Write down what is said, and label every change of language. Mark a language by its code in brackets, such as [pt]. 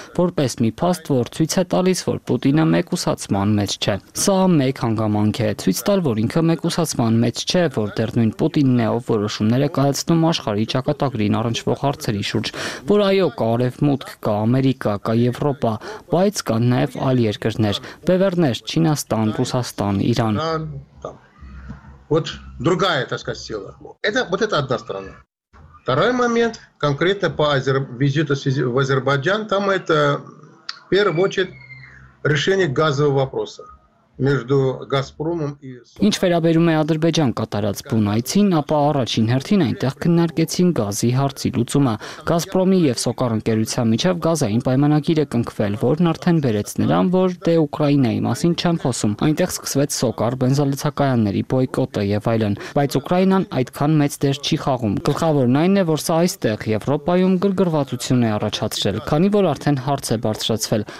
[hy] որպես մի փաստ, որ ցույց է տալիս, որ Պուտինը մեկուսացման մեջ չէ։ Սա մեկ հանգամանք է, ցույց տալ, որ ինքը մեկուսացման մեջ չէ, որ դեռ նույն Պուտինն է, ով որոշումները կայացնում աշխարհի ճակատագրին առնչվող հարցերի շուրջ, որ այո, կա արևմուտք, կա Ամերիկա, կա Եվրոպա, բայց կա նաև այլ երկրներ, Բևեռներ, Չինաստան, Ռուսաստան, Իրան։ [ru] Вот другая, так сказать, сила. Это вот это одна сторона. Второй момент, конкретно по визиту в Азербайджан, там это, в первую очередь, решение газового вопроса. [hy] Ինչ վերաբերում է Ադրբեջան կատարած բունայցին, ապա առաջին հերթին այնտեղ քննարկեցին գազի հարցի լուծումը։ Գազպրոմի և Սոկարընկերության միջև գազային պայմանագիր է կնքվել, որն արդեն բերեց նրան, որ դե Ուկրաինայի մասին չեմ խոսում։ Այնտեղ սկսվեց Սոկար բենզոլցակայանների բոյկոտը և այլն, բայց Ուկրաինան այդքան մեծ դեր չի խաղում։ Գլխավորն այն է, որ սա այստեղ Եվրոպայում գրգռվածություն է առաջացրել, քանի որ արդեն հարց է բարձրացվել.